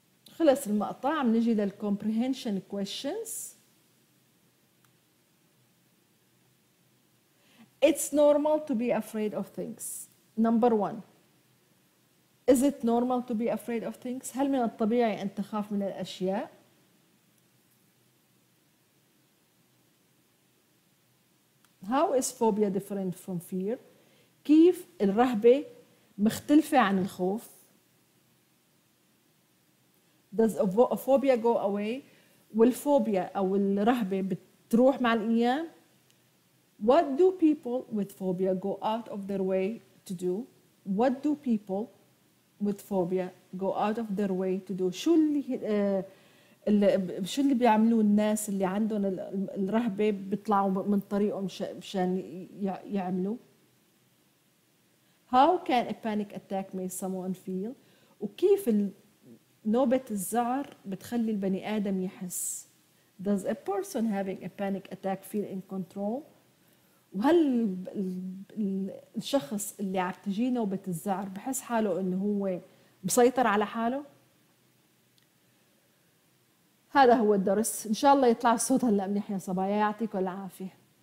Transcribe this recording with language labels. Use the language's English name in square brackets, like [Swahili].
[Arabic] خلص المقطع, عم نجي للcomprehension questions. [English] It's normal to be afraid of things. Number one, is it normal to be afraid of things? [Arabic] هل من الطبيعي أن تخاف من الأشياء؟ [English] How is phobia different from fear? [Arabic] كيف الرهبة مختلفة عن الخوف؟ [English] Does a phobia go away? Will phobia [Arabic] أو الرهبة بتروح مع الأيام؟ [English] What do people with phobia go out of their way to do? What do people with phobia go out of their way to do? [Arabic] شو اللي شو اللي بيعملوا الناس اللي عندهم الرهبة بيطلعوا من طريقهم مشان يعملوا؟ [English] How can a panic attack make someone feel? [Arabic] وكيف نوبة الزعر بتخلي البني آدم يحس؟ [English] Does a person having a panic attack feel in control? [Arabic] وهل الشخص اللي عم تجي نوبة الزعر بحس حاله انه هو مسيطر على حاله؟ هذا هو الدرس. ان شاء الله يطلع الصوت هلا منيح يا صبايا. يعطيكم العافية.